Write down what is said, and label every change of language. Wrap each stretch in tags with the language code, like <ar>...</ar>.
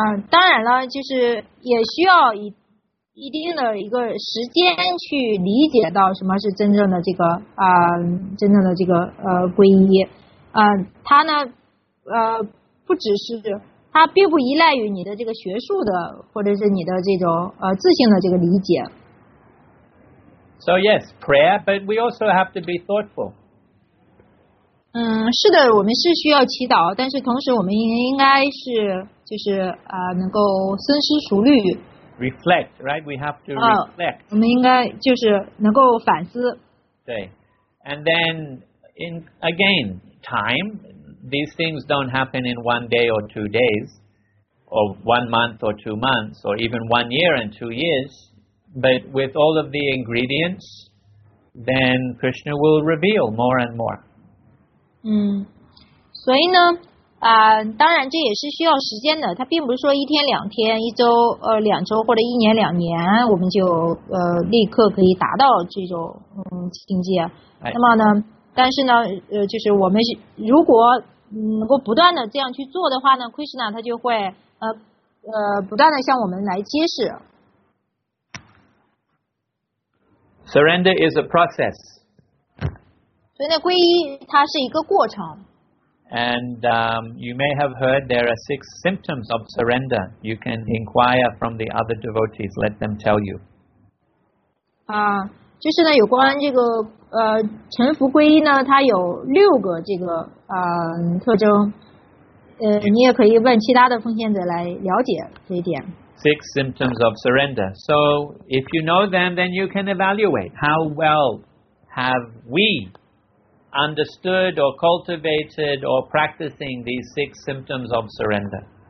<zh>当然了，就是也需要一定的一个时间去理解到什么是真正的这个真正的这个皈依。它呢不只是。它并不依赖于你的这个学术的，或者是你的这种自信的这个理解。</zh> <en>So yes, prayer, but we also have to be thoughtful.</en> <zh>是的，我们是需要祈祷，但是同时我们应该是就是能够深思熟虑。</zh> <en>Reflect, right? We have to reflect.</en> <zh>我们应该就是能够反思。对</zh> <en>，and then in again time. These things don't happen in one day or two days, or one month or 2 months, or even 1 year and 2 years. But with all of the ingredients, then Krishna will reveal more and more.</en> <zh>所以呢，当然这也是需要时间的。它并不是说一天两天、一周两周或者一年两年，我们就立刻可以达到这种境界。</zh> <en>Right.</en> <zh>那么呢？但是呢，就是我们如果能够不断的这样去做的话呢 ，Krishna 他就会不断的向我们来揭示。</zh> <en>Surrender is a process.</en> <zh>所以呢，皈依它是一个过程。</zh> <en>And you may have heard there are 6 symptoms of surrender. You can inquire from the other devotees. Let them tell you.</en> <zh>就是呢，有关这个臣服皈依呢，它有6个这个特征，你也可以问其他的奉献者来了解这一点。</zh> <en>six symptoms of surrender. So if you know them, then you can evaluate how well have we understood or cultivated or practicing these six symptoms of surrender.</en>